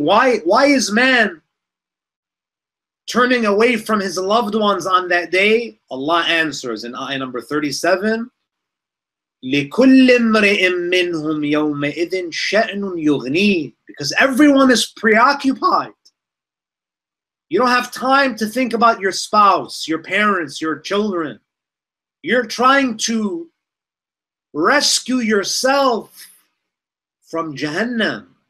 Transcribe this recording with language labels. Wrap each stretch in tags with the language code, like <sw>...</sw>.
<en>Why is man turning away from his loved ones on that day? Allah answers in ayah number 37,</en> <ar>لِكُلِّ امْرِئٍ مِّنْهُمْ يَوْمَئِذٍ شَأْنٌ يُغْنِيهِ.</ar> <en>Because everyone is preoccupied. You don't have time to think about your spouse, your parents, your children. You're trying to rescue yourself from Jahannam.</en>